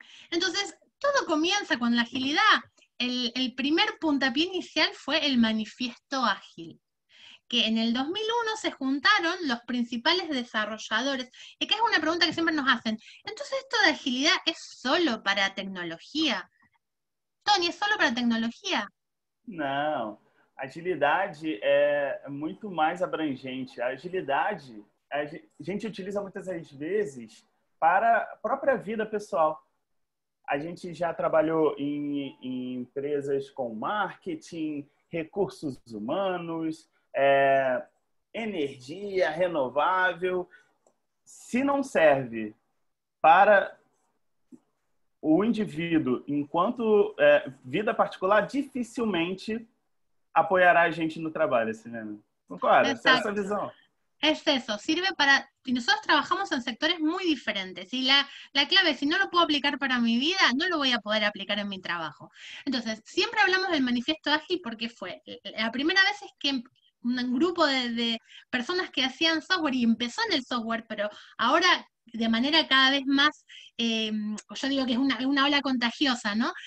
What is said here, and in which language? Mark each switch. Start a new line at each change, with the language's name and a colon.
Spanish: Entonces, todo comienza con la agilidad. El primer puntapié inicial fue el manifiesto ágil, que en el 2001 se juntaron los principales desarrolladores. Y que es una pregunta que siempre nos hacen. Entonces, ¿esto de agilidad es solo para tecnología? Tony, ¿es solo para tecnología?
Portuguese: Não, Agilidade é muito mais abrangente. A agilidade, a gente utiliza muitas vezes para a própria vida pessoal. A gente já trabalhou em empresas com marketing, recursos humanos, energia renovável. Se não serve para o indivíduo enquanto vida particular, dificilmente apoiará a gente no trabalho, assim, né? Concordo, essa é a sua visão.
Spanish: Es eso, sirve para... Nosotros trabajamos en sectores muy diferentes y la clave, si no lo puedo aplicar para mi vida, no lo voy a poder aplicar en mi trabajo. Entonces, siempre hablamos del manifiesto ágil porque fue la primera vez es que un grupo de personas que hacían software y empezó en el software, pero ahora de manera cada vez más, yo digo que es una ola contagiosa, ¿no?